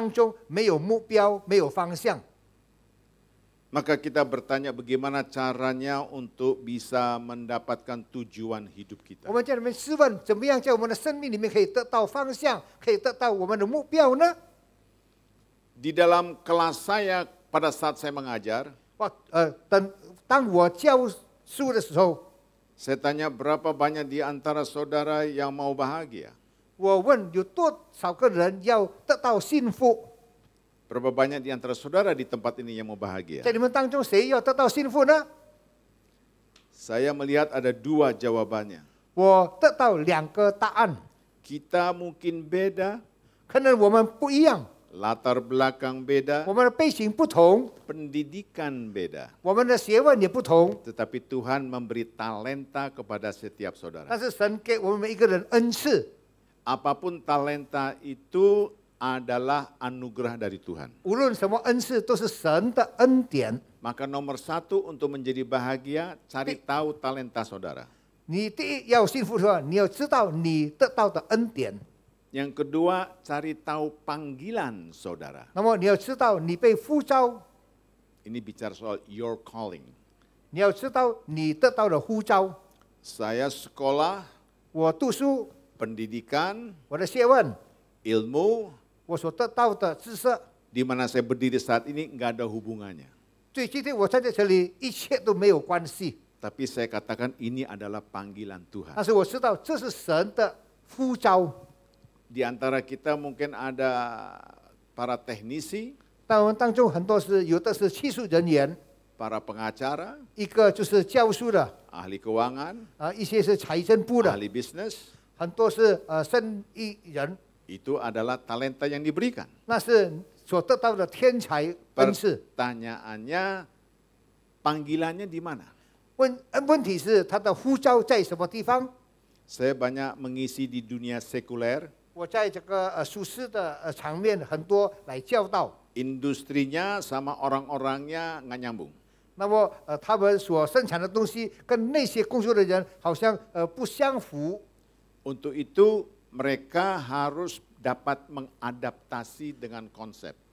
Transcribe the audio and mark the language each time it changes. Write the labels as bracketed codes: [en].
[zh] 在人生最大的悲剧不是死亡，乃是在生命当中没有目标，没有方向。 [id] Maka kita bertanya bagaimana caranya untuk bisa mendapatkan tujuan hidup kita. [zh] 我们在里面试问，怎么样在我们的生命里面可以得到方向，可以得到我们的目标呢？ [id] Di dalam kelas saya pada saat saya mengajar. [zh] Dan当我教书的时候, [id] saya tanya berapa banyak di antara saudara yang mau bahagia? [zh] 我问有多少个人要得到幸福? [id] Berapa banyak di antara saudara di tempat ini yang mau bahagia? [zh] 在你们当中谁要得到幸福呢? [id] Saya melihat ada dua jawabannya. [zh] 我得到两个答案. [id] Kita mungkin beda. [zh] 可能我们不一样. [id] Latar belakang beda. [zh] 我们的背景不同. [id] Pendidikan beda. [zh] 我们的学问也不同. [id] Tetapi Tuhan memberi talenta kepada setiap saudara. [zh] 但是神给我们每一个人恩赐. [id] Apapun talenta itu adalah anugerah dari Tuhan. [zh] 无论什么恩赐都是神的恩典. [id] Maka nomor satu untuk menjadi bahagia, cari tahu talenta saudara. [zh] 你第一要幸福的话，你要知道你得到的恩典。 [id] Yang kedua, cari tahu panggilan saudara. [zh] 那么你要知道你被呼召. [id] Ini bicara soal [en] your calling. [zh] 你要知道你得到的呼召. [id] Saya sekolah. [zh] 我读书. [id] Pendidikan. [zh] 我的学问. [id] Ilmu. [zh] 我所得到的知识. [id] Di mana saya berdiri saat ini, enggak ada hubungannya. [zh] 最近我站在这里一切都没有关系. [id] Tapi saya katakan ini adalah panggilan Tuhan. [zh] 但是我知道这是神的呼召. [id] Di antara kita mungkin ada para teknisi, [zh] 当中很多是有的是技术人员, [id] para pengacara, [zh] 一个就是教书的, [id] ahli keuangan, [zh] 一些是财政部的, [id] ahli bisnis, [zh] 很多是生意人, [id] itu adalah talenta yang diberikan. [zh] 那是所得到的天才恩赐. [id] Pertanyaannya, panggilannya di mana? [zh] 问题是他的呼召在什么地方? [id] Saya banyak mengisi di dunia sekuler. [zh] 我在这个书市的场面很多来教导. [id] Industrinya sama orang-orangnya nggak nyambung. [zh] 那么他们所生产的东西跟那些工作的人好像不相符. [id] Untuk itu mereka harus dapat mengadaptasi dengan konsep.